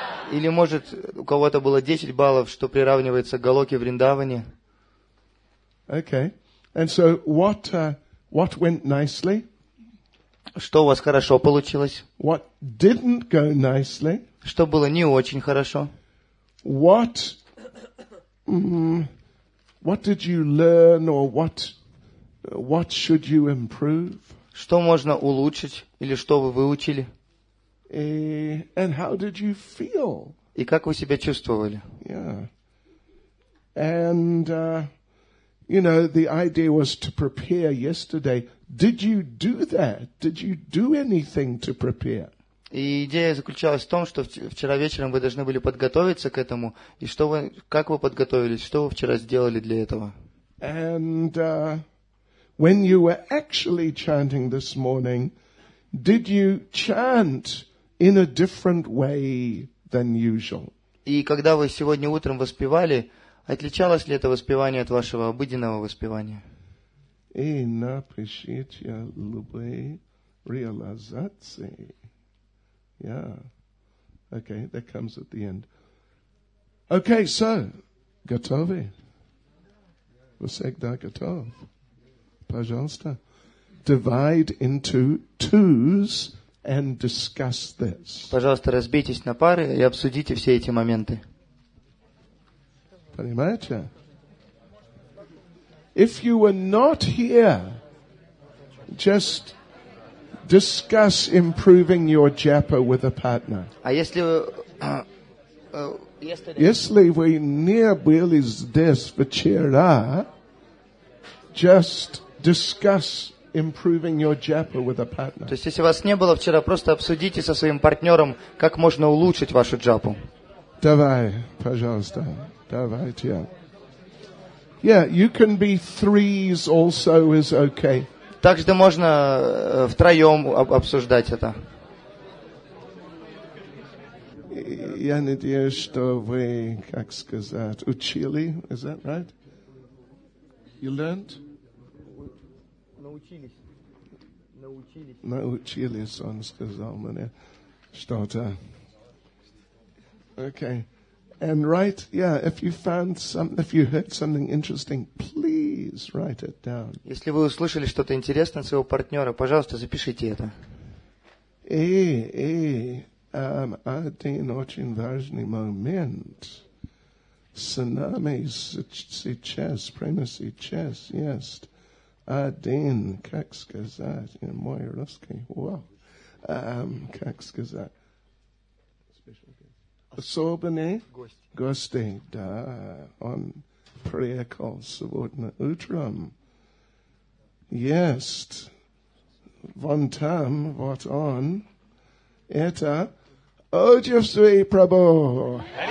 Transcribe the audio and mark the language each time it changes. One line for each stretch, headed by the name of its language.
Russian: Или, может, у кого-то было 10 баллов, что приравнивается к Голоке Вриндаване.
English: Okay. And so what went nicely?
Russian: Что у вас хорошо получилось?
English: What didn't go nicely?
Russian: Что было не очень хорошо?
English: What did you learn or what should you improve?
Russian: Что можно улучшить или что вы выучили?
English: And how did you feel?
Russian: И как вы себя чувствовали?
English: Yeah. And you know, the idea was to prepare yesterday. Did you do that? Did you do anything to prepare?
Russian: И идея заключалась в том, что вчера вечером вы должны были подготовиться к этому. И что вы, как вы подготовились? Что вы вчера сделали для этого?
English: And when you were actually chanting this morning, did you chant in a different way than usual?
Russian: И когда вы сегодня утром воспевали, отличалось ли это воспевание от вашего обыденного воспевания? И напишите любые реализации.
English: Yeah. Okay, that comes at the end. Okay, so,
Russian: готовы? Всегда готов. Пожалуйста.
English: Divide into twos and discuss this.
Russian: Пожалуйста, разбейтесь на пары и обсудите все эти моменты. Понимаете?
English: If you were not here, just discuss improving your japa with a partner.
Russian: А если вы, если вы не были здесь вчера,
English: just discuss improving your japa with a partner.
Russian: То есть если вас не было вчера, просто обсудите со своим партнером, как можно улучшить вашу джапу. Давай, пожалуйста, давайте.
English: Yeah, you can be threes also is okay.
Russian: Также можно втроем обсуждать это. Я надеюсь, что вы, как сказать, учили,
English: is that right? You learned?
Russian: Научились. Научились, он сказал мне что-то.
English: Okay. And write, yeah, if you found something, if you heard something interesting, please write it down.
Russian: Если вы услышали что-то интересное от своего партнера, пожалуйста, запишите это. Один очень важный момент. Цунами сейчас, прямо сейчас есть один, как сказать, и мой русский, вау, как сказать, особенный гости, да, он приехал сегодня утром, есть, вон там, вот он, это Отчество Прабу.